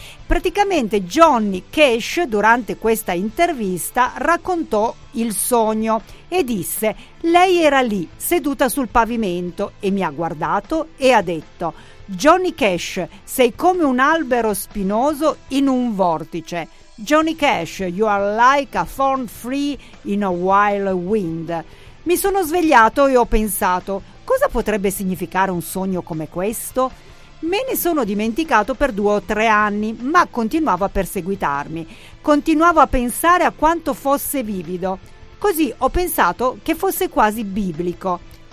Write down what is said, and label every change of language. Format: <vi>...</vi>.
<it>Praticamente Johnny Cash durante questa intervista raccontò il sogno e disse: lei era lì seduta sul pavimento e mi ha guardato e ha detto: Johnny Cash, sei come un albero spinoso in un vortice.</it> <en>Johnny Cash, you are like a thorn free in a wild wind.</en> <it>Mi sono svegliato e ho pensato: cosa potrebbe significare un sogno come questo? Me ne sono dimenticato per 2 o 3 anni, ma continuavo a perseguitarmi. Continuavo a pensare a quanto fosse vivido. Così ho pensato che fosse quasi biblico.</it>